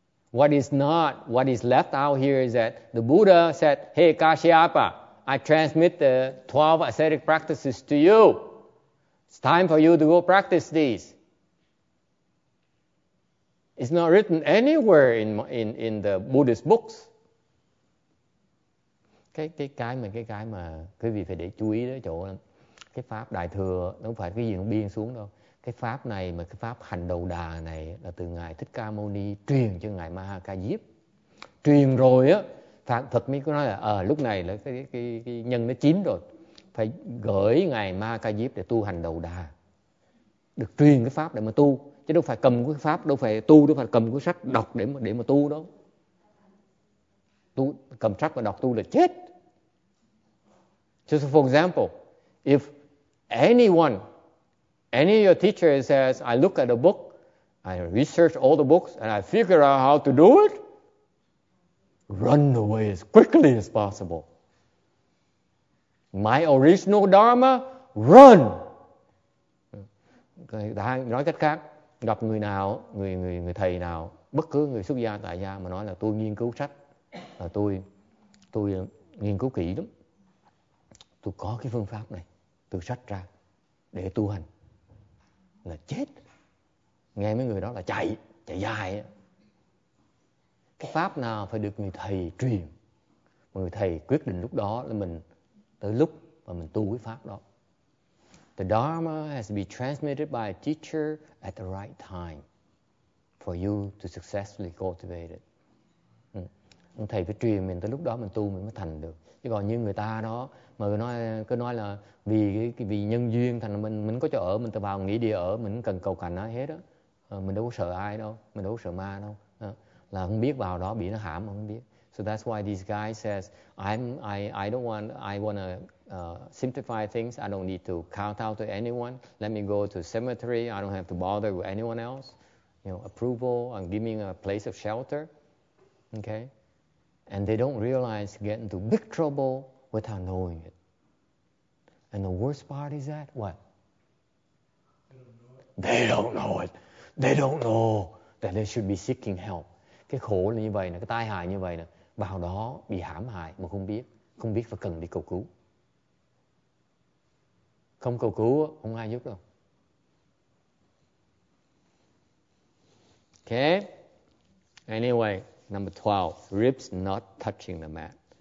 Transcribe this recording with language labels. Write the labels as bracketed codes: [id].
[en] What is left out here is that the Buddha said, hey, Kashyapa, I transmit the 12 ascetic practices to you. It's time for you to go practice these. It's not written anywhere in the Buddhist books. [vi] Cái mà quý vị phải để chú ý đến chỗ đó. Cái pháp đại thừa không phải cái gì nó biên xuống đâu. Cái pháp này mà cái pháp hành đầu đà này là từ ngài Thích Ca Mâu Ni truyền cho ngài Mahakashyapa. Truyền rồi á, Phật mới nói là lúc này là cái nhân nó chín rồi, phải gửi ngài Mahakashyapa để tu hành đầu đà. được truyền cái pháp để mà tu, chứ đâu phải cầm cái pháp, đâu phải tu, đâu phải cầm cuốn sách đọc để mà tu đâu. Tu cầm sách và đọc tu là chết. [en] Just for example, if anyone, any of your teachers says, I look at a book, I research all the books, and I figure out how to do it, run away as quickly as possible. My original dharma, run. [vi] Nói cách khác, gặp người nào, người thầy nào, bất cứ người xuất gia tại gia mà nói là tôi nghiên cứu sách, là tôi nghiên cứu kỹ lắm, tôi có cái phương pháp này từ sách ra để tu hành, là chết. Nghe mấy người đó là chạy dài. Cái pháp nào phải được người thầy truyền, người thầy quyết định lúc đó là mình tới lúc mà mình tu cái pháp đó. [en] The dharma has to be transmitted by a teacher at the right time for you to successfully cultivate it. [vi] Ông thầy phải truyền mình tới lúc đó mình tu mình mới thành được. Chứ còn như người ta đó mà cứ nói là vì nhân duyên thành mình có chỗ ở, mình tự vào nghỉ địa ở, mình cần cầu cảnh ai hết á. Mình đâu có sợ ai đâu, mình đâu có sợ ma đâu. Là không biết vào đó bị nó hãm mà không biết. [en] So that's why this guy says I want to simplify things. I don't need to kowtow to anyone. Let me go to cemetery. I don't have to bother with anyone else. You know, approval and giving a place of shelter. Okay? And they don't realize get into big trouble without knowing it. And the worst part is that what? They don't know it. They don't know that they should be seeking help. [vi] Cái khổ là như vậy nè, cái tai hại như vậy nè, vào đó bị hãm hại mà không biết phải cần đi cầu cứu. Không cầu cứu không ai giúp đâu. [en] Okay. Anyway, number 12, ribs not touching the mat.